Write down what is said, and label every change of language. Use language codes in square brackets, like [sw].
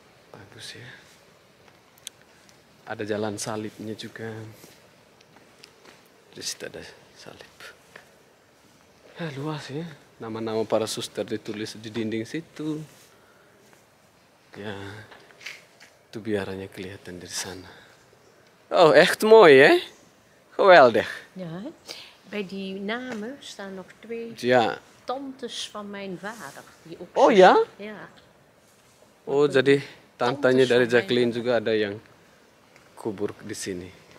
[id] Bagus ya. Ada jalan salibnya juga. Di situ ada salib. Luas ya. Nama-nama para suster ditulis di dinding situ. Ya, itu biaranya kelihatan dari sana. [nl] Oh, echt mooi, hè? Geweldig. Ja, bij die namen staan nog twee ja. Tantes van mijn vader. Die ook oh, ja? Ja. [id] Oh, jadi tantenya dari Jacqueline juga ada yang kubur di sini.